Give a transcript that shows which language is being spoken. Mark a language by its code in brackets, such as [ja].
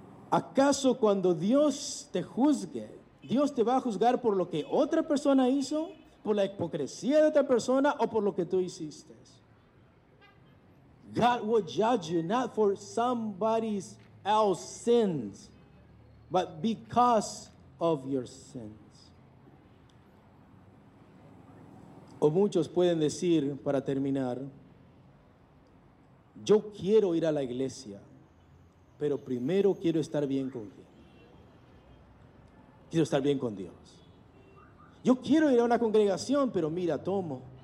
[es] ¿Acaso cuando Dios te juzgue, Dios te va a juzgar por lo que otra persona hizo, por la hipocresía de otra persona o por lo que tú hiciste? [en] God will judge you not for somebody else's sins, but because of your sins. [es] O muchos pueden decir, para terminar, yo quiero ir a la iglesia. Pero primero quiero estar bien con quién. Quiero estar bien con Dios. Yo quiero ir a una congregación, pero mira, tomo.